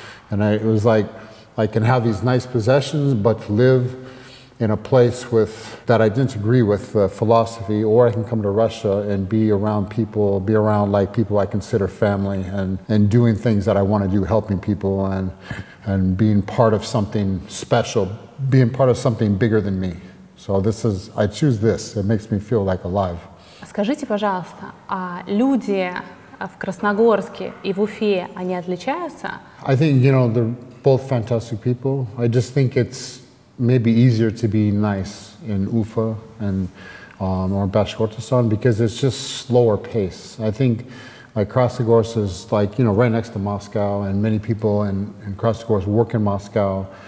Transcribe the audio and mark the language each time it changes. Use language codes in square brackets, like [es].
[en] And it was like, I can have these nice possessions, but live in a place with that I didn't agree with the philosophy, or I can come to Russia and be around like people I consider family and doing things that I want to do, helping people and being part of something special, being part of something bigger than me. So this is, I choose this. It makes me feel like alive. [ru] Скажите, пожалуйста, а люди в Красногорске и в Уфе, они отличаются? [en] I think, you know, they're both fantastic people. I just think it's maybe easier to be nice in Ufa and or Bashkortostan because it's just slower pace. I think like Krasnogorsk is like, you know, right next to Moscow, and many people in Krasnogorsk work in Moscow.